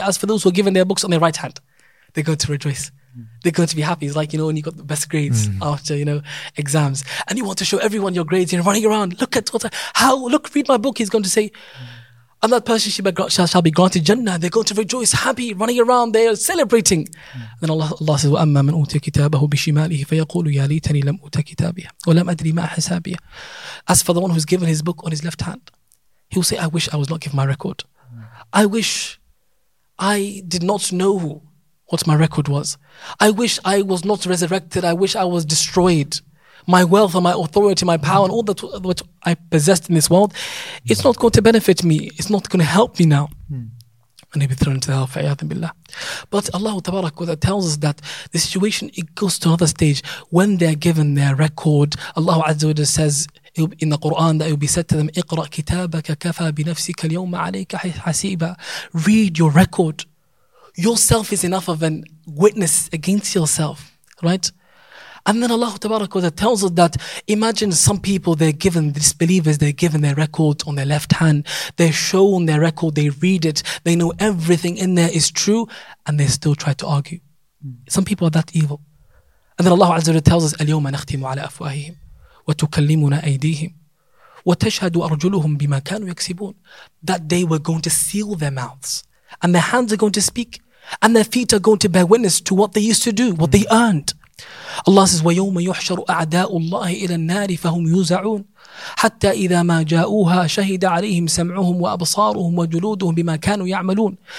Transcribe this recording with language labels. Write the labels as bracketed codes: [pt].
[en] As for those who are given their books on their right hand, they're going to rejoice. They're going to be happy. It's like, you know, when you got the best grades after, you know, exams. And you want to show everyone your grades. You're running around. Look at what I, how, look, read my book. He's going to say, And that person shall be granted Jannah. They're going to rejoice, happy, running around, they are celebrating. Then Allah says, [ar] وَأَمَّا مَنْ أُوْتِيَ كِتَابَهُ بِشِمَالِهِ فَيَقُولُ يَا لَيْتَنِي لَمْ أُوْتَ كِتَابِيَهْ وَلَمْ أَدْرِي مَا حِسَابِيَهْ. [en] As for the one who's given his book on his left hand, he will say, I wish I was not given my record. I wish I did not know what my record was. I wish I was not resurrected. I wish I was destroyed. My wealth and my authority, my power, and all that which I possessed in this world, it's not going to benefit me. It's not going to help me now. And he'll be thrown into the hell, fa'iyadhu billah. But Allah Ta'ala tells us that the situation, it goes to another stage. When they're given their record, Allah Azza wa Jalla says in the Quran that it will be said to them, [ar] اقرأ كتابك كفى بنفسك اليوم عليك حسيبا. [en] Read your record. Yourself is enough of a witness against yourself, right? And then Allah Ta'ala tells us that imagine some people, they're given, disbelievers, they're given their record on their left hand. They're shown their record, they read it, they know everything in there is true, and they still try to argue. Some people are that evil. And then Allah Azza wa Jalla tells us, [ar] اليوم نختم على أفواههم وتكلمنا أيديهم وتشهد أرجلهم بما كانوا يكسبون. [en] That day we're going to seal their mouths, and their hands are going to speak, and their feet are going to bear witness to what they used to do, what they earned. Allah says, [ar] وَيَوْمَ يُحْشَرُ أَعْدَاءُ اللَّهِ إِلَى النَّارِ فَهُمْ يُوزَعُونَ حَتَّى إِذَا مَا جَاءُوهَا شَهِدَ عَلَيْهِمْ سَمْعُهُمْ وَأَبْصَارُهُمْ وَجُلُودُهُمْ بِمَا كَانُوا يَعْمَلُونَ.